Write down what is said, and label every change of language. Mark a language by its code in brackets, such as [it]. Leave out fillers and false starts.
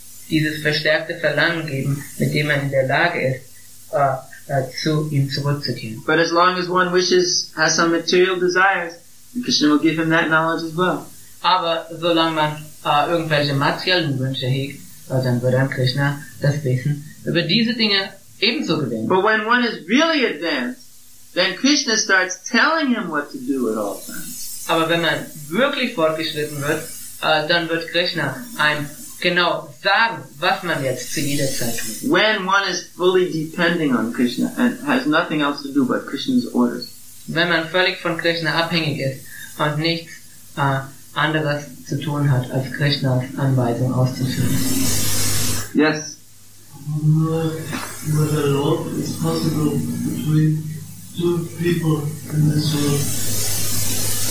[de] dieses verstärkte Verlangen geben, mit dem er in der Lage ist, zu ihm zurückzukehren. [en] But as long as one wishes, has some material desires, Krishna will give him that knowledge as well. [de] Aber solange man irgendwelche materiellen Wünsche hegt, dann wird dann Krishna das Wissen über diese Dinge ebenso gewinnen. [en] But when one is really advanced, then Krishna starts telling him what to do at all times. [de] Aber wenn man wirklich fortgeschritten wird, dann wird Krishna einem genau sagen, was man jetzt zu jeder Zeit tut. [en] When one is fully depending on Krishna and has nothing else to do but Krishna's orders. [de] Wenn man völlig von Krishna abhängig ist und nichts anderes zu tun hat, als Krishnas Anweisung auszuführen. [en] Yes. With the Lord, it's possible between two people in this world.